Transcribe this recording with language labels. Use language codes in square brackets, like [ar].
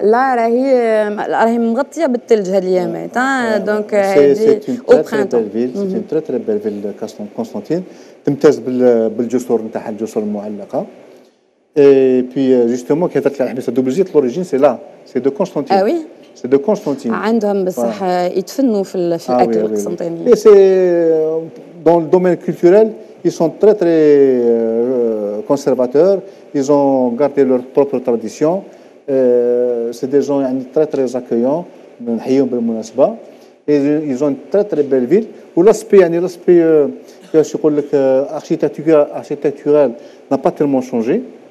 [fr] Là, il y a un petit peu de Djaliyamet. Donc, c'est une très, très belle ville. C'est une très, très belle ville de Constantine. Tu me testes le Djoussour, Ntahal Djoussour, Mualaka. Et puis, justement, quand tu as double zit, l'origine, c'est là. C'est de Constantine. Ah oui? C'est de Constantine. [ar] عندهم بصح يتفنوا في الاكل القسطنطيني. [fr] Et c'est dans le domaine culturel, ils sont très très conservateurs, ils ont gardé leur propre tradition. C'est des gens يعني très très accueillants, [ar] نحييهم بالمناسبة. [fr] Et ils ont une très très belle ville où l'aspect يعني l'aspect je [ar] يقول لك [fr] architectural n'a pas tellement changé.